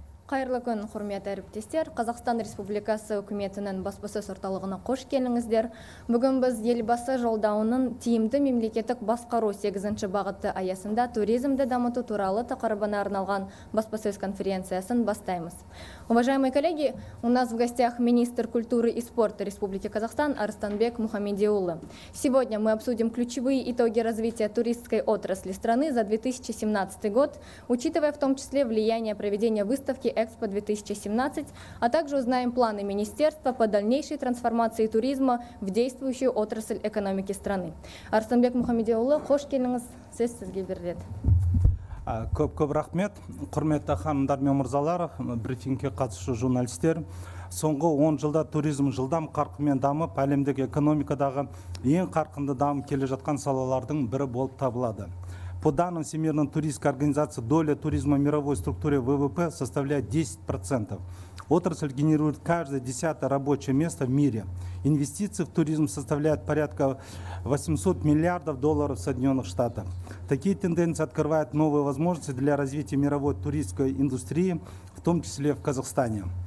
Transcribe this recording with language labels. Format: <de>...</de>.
<kk>Қайырлы күн, құрметті әріптестер. Қазақстан Республикасы үкіметінің баспасөз орталығына қош келдіңіздер. Бүгін біз елбасы жолдауының тиімді мемлекеттік басқару 8-ші бағыты аясында туризмді дамыту туралы тақырыбына арналған баспасөз конференциясын бастаймыз.</kk> <ru>Уважаемые коллеги, у нас в гостях министр культуры и спорта Республики Казахстан Арыстанбек Мухамедиулы. Сегодня мы обсудим ключевые итоги развития туристской отрасли страны за 2017 год, учитывая в том числе влияние проведения выставки «Экспо-2017», а также узнаем планы министерства по дальнейшей трансформации туризма в действующую отрасль экономики страны.</ru> <kk>Арыстанбек Мухамедиулы, хош келдіңіз, сөз сізге беріледі. Көп-көп рахмет, құрметті ханымдар мен мырзалар, брифингке қатысушы журналистер. Соңғы 10 жылда туризм жылдам қарқынмен дамып, әлемдік экономикадағы ең қарқынды дамып келе жатқан салалардың бірі болып табылады.</kk> <ru>По данным Всемирной туристской организации, доля туризма в мировой структуре ВВП составляет 10%. Отрасль генерирует каждое 10-е рабочее место в мире. Инвестиции в туризм составляют порядка 800 миллиардов долларов Соединенных Штатов. Такие тенденции открывают новые возможности для развития мировой туристской индустрии, в том числе в Казахстане.</ru>